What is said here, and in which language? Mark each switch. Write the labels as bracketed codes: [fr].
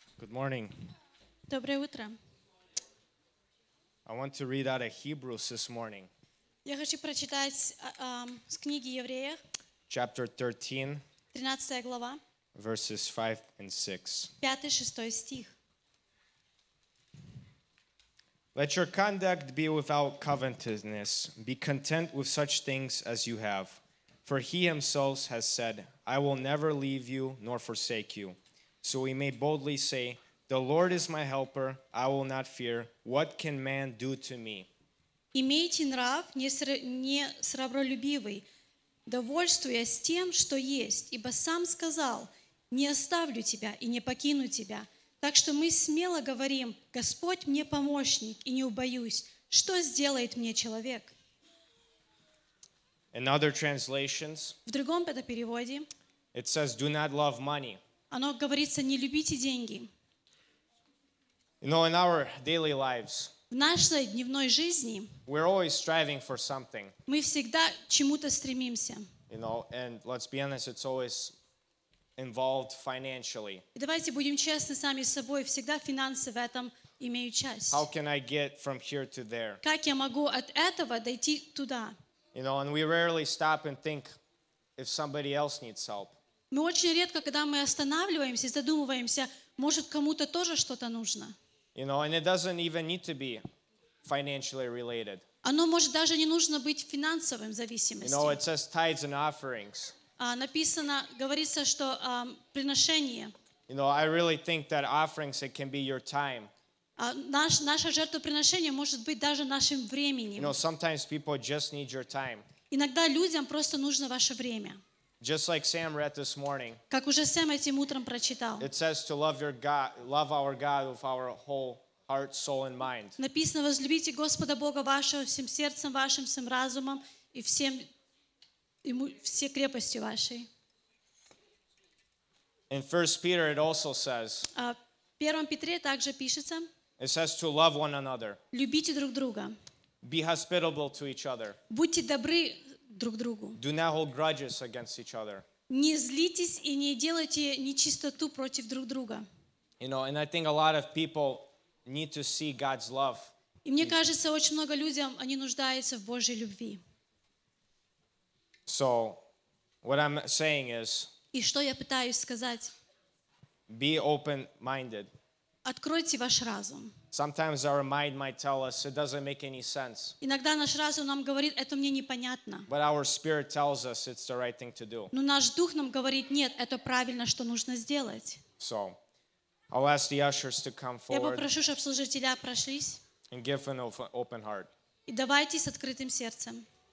[en] Morning. [ru] Доброе утро. [en] I want to read out of Hebrews this morning. [ru] Я хочу прочитать с книги Евреев. [en] Chapter 13. [ru] 13 глава. [en] Verses 5 and 6. [ru] 5-6 стих. [en] Let your conduct be without covetousness. Be content with such things as you have. For he himself has said, I will never leave you nor forsake you. So we may boldly say, the Lord is my helper, I will not fear. What can man do to me? [ru] Имейте нрав не сребролюбивый, довольствуясь тем, что есть, ибо сам сказал, не оставлю тебя и не покину тебя. Так что мы смело говорим, Господь мне помощник, и не убоюсь. Что сделает мне человек? [en] In other translations, [ru] в другом переводе, [en] it says, do not love money. [ru] Оно говорится, не любите деньги. [en] You know, in our daily lives, [ru] в нашей дневной жизни, [en] we're always striving for something. [ru] Мы всегда чему-то стремимся. [en] You know, and let's be honest, it's always involved financially. [ru] И давайте будем честны сами с собой, всегда финансы в этом имеют часть. [en] How can I get from here to there? [ru] Как я могу от этого дойти туда? [en] You know, and we rarely stop and think if somebody else needs help. [ru] Мы очень редко, когда мы останавливаемся и задумываемся, может, кому-то тоже что-то нужно. [en] You know, and it doesn't even need to be financially related. [ru] Оно может даже не нужно быть финансовым зависимости. [en] You know, it says tithes and offerings. [ru] Написано, говорится, что приношение. [en] You know, I really think that offerings, it can be your time. [ru] Наше жертвоприношение может быть даже нашим временем. [en] You know, sometimes people just need your time. [ru] Иногда людям просто нужно ваше время. [en] Just like Sam read this morning. [ru] Как уже Сэм этим утром прочитал. [en] It says to love your God, love our God with our whole heart, soul and mind. [ru] Написано возлюбите Господа Бога вашего всем сердцем вашим, всем разумом и всем ему все крепости вашей. [en] In 1 Peter it also says. [ru] А в 1 Петре также пишется. [en] It says to love one another. [ru] Любите друг друга. [en] Be hospitable to each other. [ru] Будьте добры друг другу. [en] Do not hold grudges against each other. [ru] Не злитесь и не делайте нечистоту против друг друга. [en] You know, and I think a lot of people need to see God's love. [ru] И мне кажется, очень много людям они нуждаются в Божьей любви. [en] So, what I'm saying is. [ru] И что я пытаюсь сказать? [en] Be open-minded. [ru] Откройте ваш разум. [en] Sometimes our mind might tell us it doesn't make any sense. [ru] Иногда наш разум нам говорит, это мне непонятно. [en] But our spirit tells us it's the right thing to do. [ru] Но наш дух нам говорит, нет, это правильно, что нужно сделать. [en] So, I'll ask the ushers to come forward. [ru] Я попрошу, чтобы служители прошлись. [en] And give an open heart. [ru] И давайте с открытым сердцем.